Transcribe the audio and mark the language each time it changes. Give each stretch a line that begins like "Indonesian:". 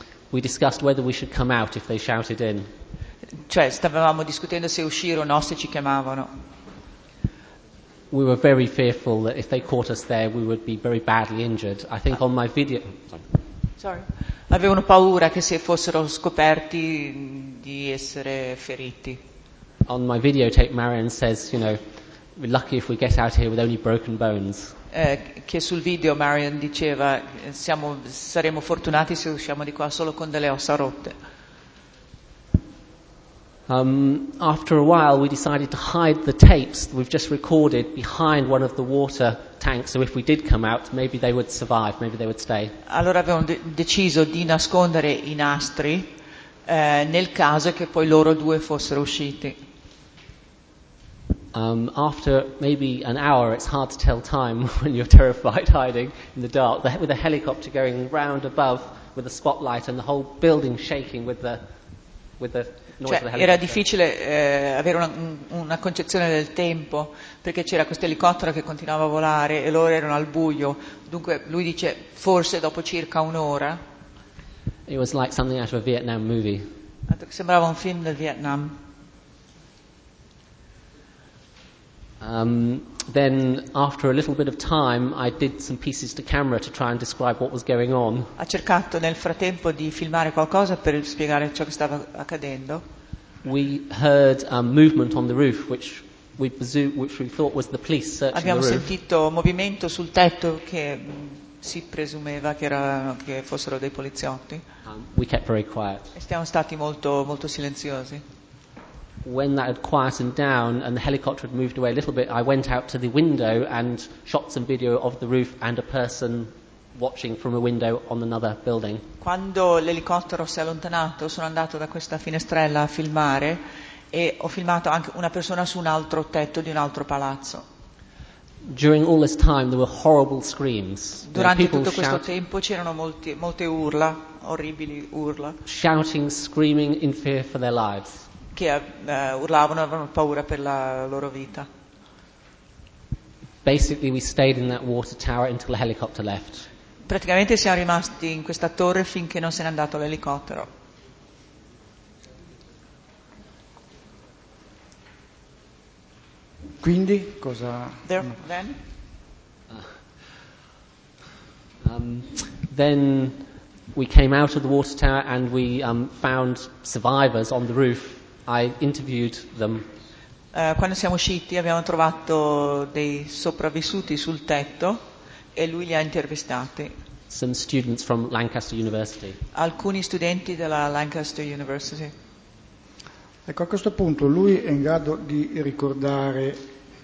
English: We discussed whether we should come out if they shouted in.
Italian: Cioè, stavamo discutendo se uscire o no se ci chiamavano.
English: We were very fearful that if they caught us there we would be very badly injured. I think on my video. Sorry.
Italian: Avevano paura che se fossero scoperti di essere feriti.
English: On my videotape Marion says, you know, we're lucky if we get out here with only broken bones.
Italian: Che sul video Marion diceva saremo fortunati se usciamo di qua solo con delle ossa rotte.
English: After a while we decided to hide the tapes we've just recorded behind one of the water tanks, so if we did come out maybe they would survive, maybe they would stay.
Italian: Allora abbiamo deciso di nascondere i nastri nel caso che poi loro due fossero usciti.
English: After maybe an hour, it's hard to tell time when you're terrified hiding in the dark, with a helicopter going round above with a spotlight and the whole building shaking with the noise,
Italian: cioè,
English: of the helicopter.
Italian: Era difficile avere una concezione del tempo, perché c'era questo elicottero che continuava a volare e loro erano al buio. Dunque lui dice forse dopo circa un'ora.
English: It was like something out of a Vietnam movie.
Italian: Sembrava un film del Vietnam.
English: Then after a little bit of time I did some pieces to camera to try and describe what was going on.
Italian: Ha cercato nel frattempo di filmare qualcosa per spiegare ciò che stava accadendo.
English: We heard a movement on the roof which we thought was the police searching the roof.
Italian: Abbiamo sentito movimento sul tetto che si presumeva che fossero dei poliziotti.
English: We kept very quiet.
Italian: E siamo stati molto molto silenziosi.
English: When that had quieted down and the helicopter had moved away a little bit, I went out to the window and shot some video of the roof and a person watching from a window on another building.
Italian: Quando l'elicottero si è allontanato, sono andato da questa finestrella a filmare e ho filmato anche una persona su un altro tetto di un altro palazzo.
English: During all this time, there were horrible screams.
Italian: Durante tutto questo tempo c'erano molte urla, orribili urla.
English: Shouting, screaming in fear for their lives.
Italian: Che urlavano, avevano paura per la loro vita.
English: Basically we stayed in that water tower until the helicopter left.
Italian: Praticamente siamo rimasti in questa torre finché non se n'è andato l'elicottero. Quindi cosa?
English: Then we came out of the water tower and we found survivors on the roof. I interviewed them.
Italian: quando siamo usciti abbiamo trovato dei sopravvissuti sul tetto e lui li ha intervistati.
English: Some students from Lancaster University.
Italian: Alcuni studenti della Lancaster University. Ecco, a questo punto lui è in grado di ricordare